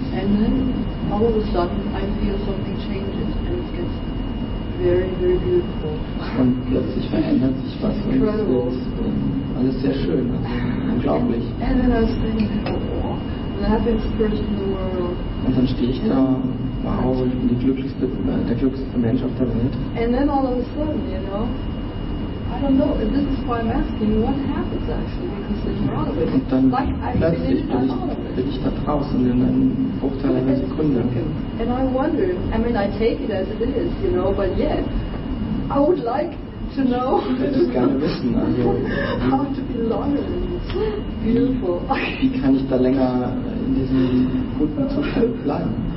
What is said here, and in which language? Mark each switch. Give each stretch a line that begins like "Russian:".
English: And then all of a sudden I feel something changes and it gets very, very beautiful.
German: Und plötzlich verändert sich was.
English: Incredible.
German: Und es ist alles sehr schön, also unglaublich.
English: And then I was thinking, oh, the happiest person in the world.
German: Und dann stehe ich da, wow, ich bin der glücklichste Mensch auf der Welt.
English: And then all of a sudden, you know. I don't know, this is why I'm asking, what happens actually, because there's a lot of it.
German: Und dann plötzlich bin ich da draußen in einem Bruchteil einer Sekunde.
English: And I wonder, I mean, I take it as it is, you know, but yet, I would like to know
German: gerne wissen, also,
English: how to be longer in this beautiful.
German: Wie kann ich da länger in diesem guten Zustand bleiben?